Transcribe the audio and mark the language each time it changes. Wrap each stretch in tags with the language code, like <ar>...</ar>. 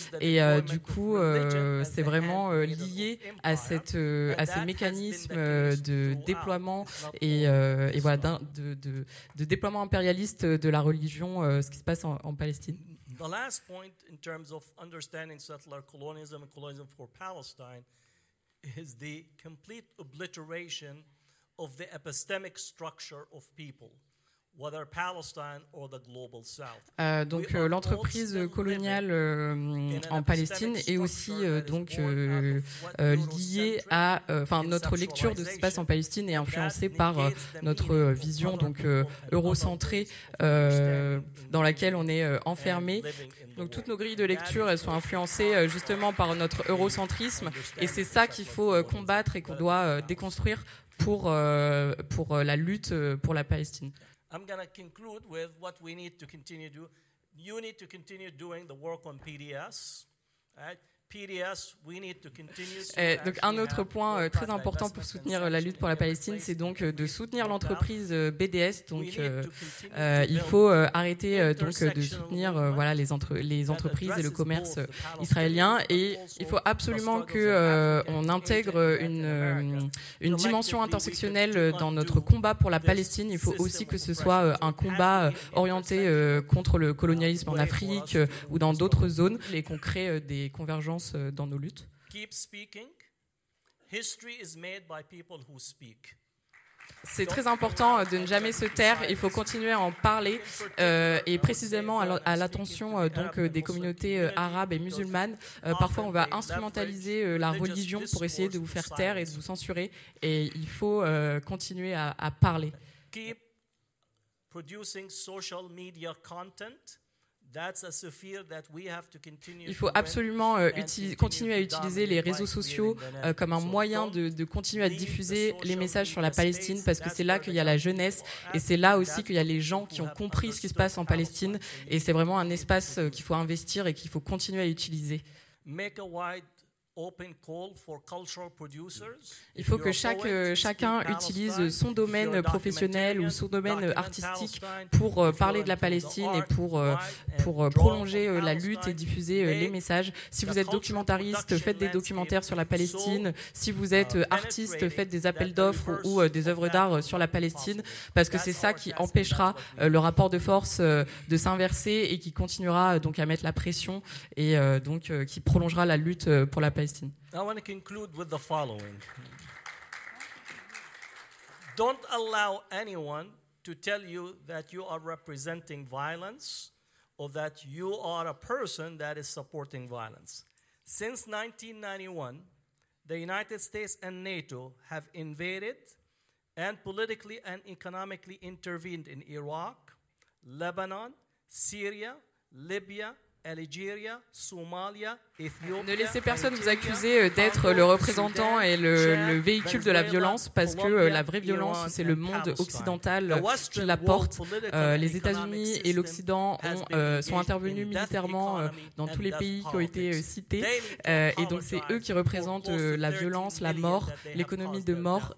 <fr>Et du coup, c'est vraiment lié à ces mécanismes de déploiement et voilà, de déploiement impérialiste de la religion, ce qui se passe en Palestine.</fr> <en>The last point in terms of understanding settler colonialism and colonialism for Palestine is the complete obliteration of the epistemic structure of people. Whether Palestine or the global south.</en> <fr>Donc l'entreprise coloniale en Palestine est aussi donc liée à, enfin notre lecture de ce qui se passe en Palestine est influencée par notre vision donc eurocentrée dans laquelle on est enfermé. Donc toutes nos grilles de lecture elles sont influencées justement par notre eurocentrisme et c'est ça qu'il faut combattre et qu'on doit déconstruire pour la lutte pour la Palestine.</fr> <en>I'm going to conclude with what we need to continue to do. You need to continue doing the work on PDS, right? PDS, we need to continue.</en> <fr>Donc un autre point très important pour soutenir la lutte pour la Palestine, c'est donc de soutenir l'entreprise BDS. Donc il faut arrêter donc de soutenir voilà les entreprises et le commerce israélien. Et il faut absolument que on intègre une dimension intersectionnelle dans notre combat pour la Palestine. Il faut aussi que ce soit un combat orienté contre le colonialisme en Afrique ou dans d'autres zones et qu'on crée des convergences dans nos luttes.</fr> <en>Keep speaking. History is made by people who speak.</en> <fr>C'est très important de ne jamais se taire. Il faut continuer à en parler et précisément à l'attention donc des communautés arabes et musulmanes. Parfois, on va instrumentaliser la religion pour essayer de vous faire taire et de vous censurer. Et il faut continuer à parler.</fr> <en>Keep producing social media content. That's a sphere that we have to continue.</en> <fr>Il faut absolument continuer à utiliser les réseaux sociaux comme un moyen de continuer à diffuser les messages sur la Palestine parce que c'est là qu'il y a la jeunesse et c'est là aussi qu'il y a les gens qui ont compris ce qui se passe en Palestine et c'est vraiment un espace qu'il faut investir et qu'il faut continuer à utiliser.</fr> <en>Make a wide open call for cultural producers.</en> <fr>Il faut que chacun utilise son domaine professionnel ou son domaine artistique pour parler de la Palestine et pour prolonger la lutte et diffuser les messages. Si vous êtes documentariste, faites des documentaires sur la Palestine. Si vous êtes artiste, faites des appels d'offres ou des œuvres d'art sur la Palestine parce que c'est ça qui empêchera le rapport de force de s'inverser et qui continuera donc à mettre la pression et donc qui prolongera la lutte pour la Palestine.</fr> <en>I want to conclude with the following. Don't allow anyone to tell you that you are representing violence or that you are a person that is supporting violence. Since 1991, the United States and NATO have invaded and politically and economically intervened in Iraq, Lebanon, Syria, Libya, Algeria, Somalia, Ethiopia,</en> <fr>ne laissez personne vous accuser d'être le représentant et le véhicule de la violence parce que la vraie violence, c'est le monde occidental qui la porte. Les États-Unis et l'Occident sont intervenus militairement dans tous les pays qui ont été cités. Et donc, c'est eux qui représentent la violence, la mort, l'économie de mort.</fr>